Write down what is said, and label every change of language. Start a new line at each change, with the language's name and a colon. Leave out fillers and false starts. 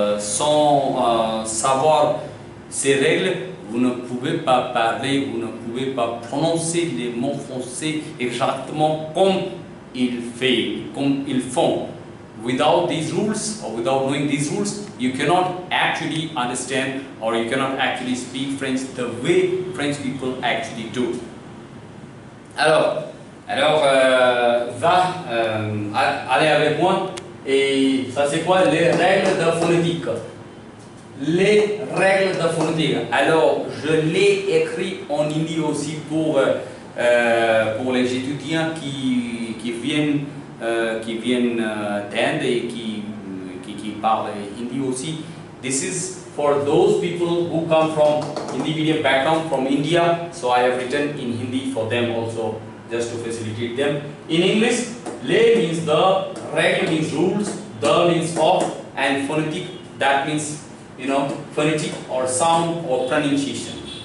French: Sans savoir ces règles, vous ne pouvez pas parler, vous ne pouvez pas prononcer les mots français exactement comme ils font.
English: Without these rules, or without knowing these rules, you cannot actually understand or you cannot actually speak French the way French people actually do.
French: Alors, allez avec moi. Et ça c'est quoi les règles de phonétique? Les règles de phonétique. Alors, je l'ai écrit en hindi aussi pour les étudiants qui viennent d'Inde et qui parlent hindi aussi.
English: This is for those people who come from Hindi-medium background from India. So I have written in hindi for them also, just to facilitate them. In English, les means the, règles means rules, the means of, and phonétique, that means, you know, phonetic or sound or pronunciation.